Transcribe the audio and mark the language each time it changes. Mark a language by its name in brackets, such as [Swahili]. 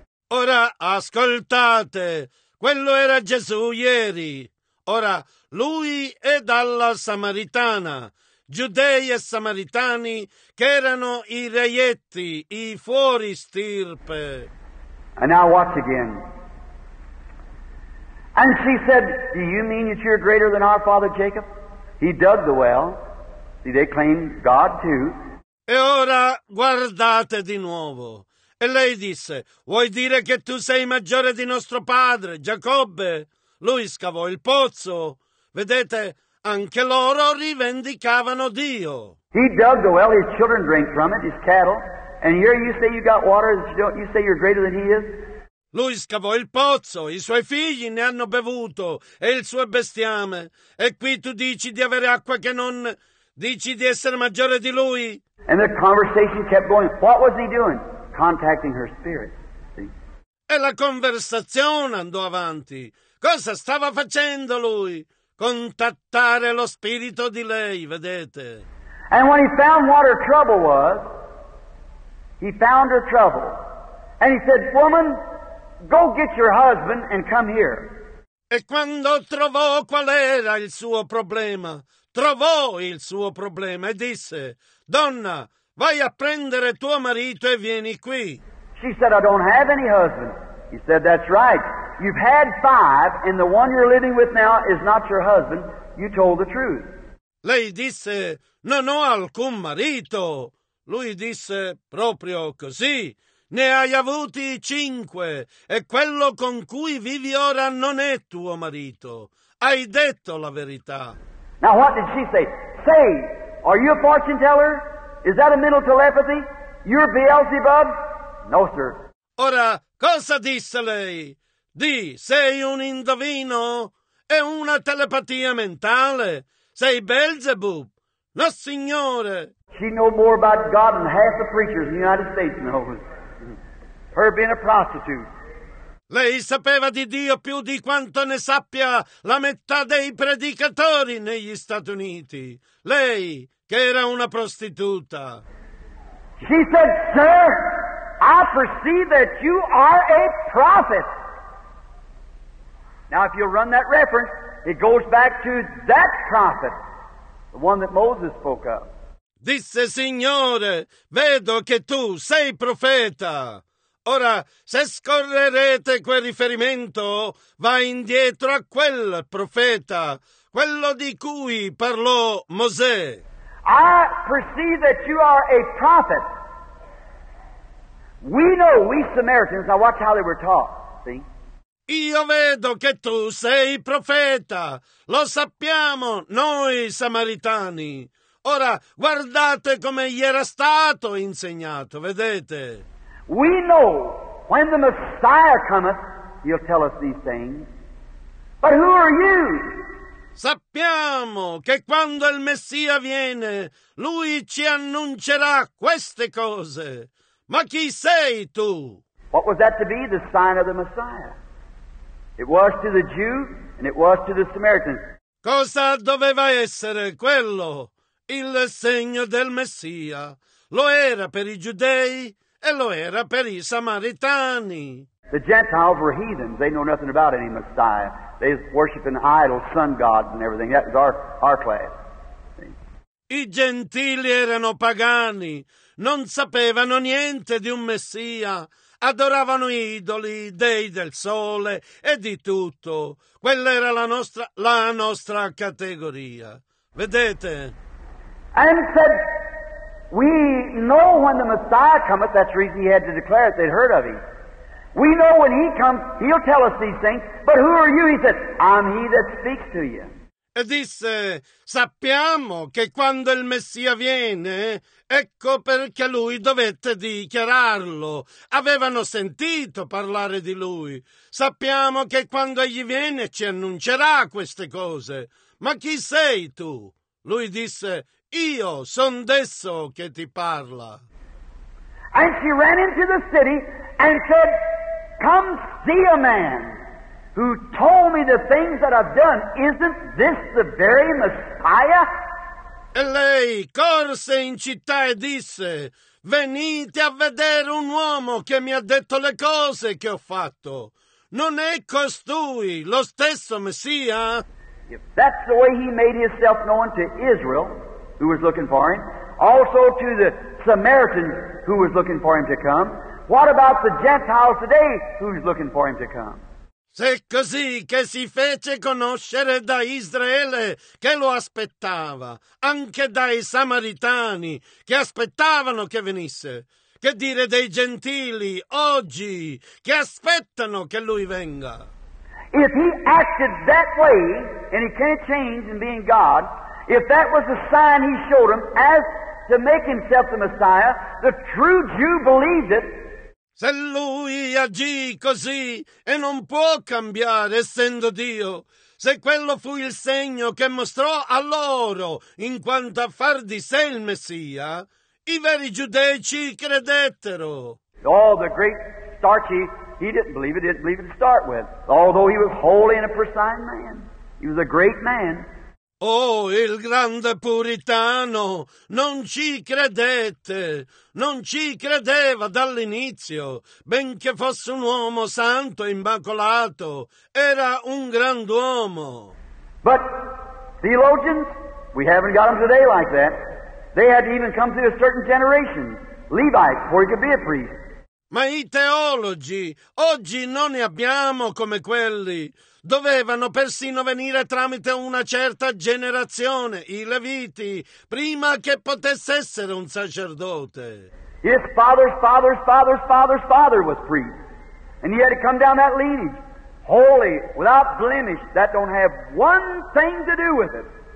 [Italian] Ora ascoltate, quello era Gesù ieri. Ora, lui è dalla Samaritana, giudei e samaritani che erano i reietti, i fuori stirpe. [English] And now watch again. And she said, "Do you mean that you're greater than our father Jacob? He dug the well." See, they claim God too. [Italian] E ora guardate di nuovo. E lei disse, "Vuoi dire che tu sei maggiore di nostro padre, Giacobbe? Lui scavò il pozzo." Vedete, anche loro rivendicavano Dio. [English] He dug the well, his children drink from it, his cattle. And here you say you got water, you say you're greater than he is? [Italian] Lui scavò il pozzo, i suoi figli ne hanno bevuto, e il suo bestiame. E qui tu dici di avere acqua che non... dici di essere maggiore di lui. [English] And the conversation kept going. What was he doing? Contacting her spirit. See? [Italian] E la conversazione andò avanti. Cosa stava facendo lui? Contattare lo spirito di lei, vedete. [English] And when he found what her trouble was, he found her trouble. And he said, "Woman, go get your husband and come here." [Italian] E quando trovò qual era il suo problema, trovò il suo problema e disse, "Donna, vai a prendere tuo marito e vieni qui." [English] She said, "I don't have any husband." He said, "That's right. You've had five, and the one you're living with now is not your husband. You told the truth." [Italian] Lei disse, "Non ho alcun marito." Lui disse, "Proprio così. Ne hai avuti cinque, e quello con cui vivi ora non è tuo marito. Hai detto la verità." [English] Now what did she say? "Say, are you a fortune teller? Is that a mental telepathy? You're Beelzebub?" "No, sir." [Italian] Ora, cosa disse lei? Di, sei un indovino? È una telepatia mentale? Sei Beelzebub? No, signore. [English] She know more about God than half the preachers in the United States know. Her being a prostitute. [Italian] Lei sapeva di Dio più di quanto ne sappia la metà dei predicatori negli Stati Uniti. Lei, che era una prostituta. [English] She said, "Sir, I perceive that you are a prophet." Now, if you run that reference, it goes back to that prophet the one that Moses spoke of. [Italian] Disse, Signore, vedo che tu sei profeta. Ora, se scorrerete quel riferimento, va indietro a quel profeta, quello di cui parlò Mosè. [English] I perceive that you are a prophet. We know, we Samaritans, now watch how they were taught, see? [Italian] Io vedo che tu sei profeta, lo sappiamo noi samaritani. Ora, guardate come gli era stato insegnato, vedete? [English] We know when the Messiah cometh, he'll tell us these things. But who are you? [Italian] Sappiamo che quando il Messia viene, lui ci annuncerà queste cose. Ma chi sei tu? [English] What was that to be, the sign of the Messiah? It was to the Jew and it was to the Samaritan. [Italian] Cosa doveva essere quello? Il segno del Messia lo era per i giudei e lo era per i samaritani. [English] The Gentiles were heathens. They know nothing about any Messiah. They worship an idol, sun god, and everything. That was our class. [Italian] I gentili erano pagani. Non sapevano niente di un Messia. Adoravano idoli, dei del sole e di tutto. Quella era la nostra categoria. Vedete? [English] And said, we know when the Messiah cometh, that's the reason he had to declare it, they'd heard of him. We know when he comes, he'll tell us these things, but who are you? He said, I'm he that speaks to you. [Italian] E disse, sappiamo che quando il Messia viene, ecco perché lui dovette dichiararlo. Avevano sentito parlare di lui. Sappiamo che quando egli viene ci annuncerà queste cose. Ma chi sei tu? Lui disse, io son desso che ti parla. [English] And she ran into the city and said, come see a man who told me the things that I've done. Isn't this the very Messiah? [Italian] E lei corse in città e disse, venite a vedere un uomo che mi ha detto le cose che ho fatto. Non è costui lo stesso Messia? [English] If that's the way he made himself known to Israel, who was looking for him, also to the Samaritans who was looking for him to come. What about the Gentiles today who's looking for him to come? [Italian] Se così che si fece conoscere da Israele che lo aspettava, anche dai Samaritani che aspettavano che venisse, che dire dei Gentili oggi che aspettano che lui venga? [English] If he acted that way and he can't change in being God, if that was the sign he showed them as to make himself the Messiah, the true Jew believed it. [Italian] Se lui agì così e non può cambiare essendo Dio, se quello fu il segno che mostrò a loro in quanto a far di sé il Messia, i veri giudei ci credettero. [English] Oh, the great Starchy, he didn't believe it, he didn't believe it to start with. Although he was holy and a pristine man, he was a great man. [Italian] Oh, il grande puritano, non ci credete, non ci credeva dall'inizio, benché fosse un uomo santo e immacolato, era un grand'uomo. [English] But theologians, we haven't got them today like that. They had to even come through a certain generation, Levites, before he could be a priest. [Italian] Ma i teologi, oggi non ne abbiamo come quelli. Dovevano persino venire tramite una certa generazione, i Leviti, prima che potesse essere un sacerdote. [English] His father's father's father's father's father was priest. And he had to come down that lineage, holy, without blemish, that don't have one thing to do with it.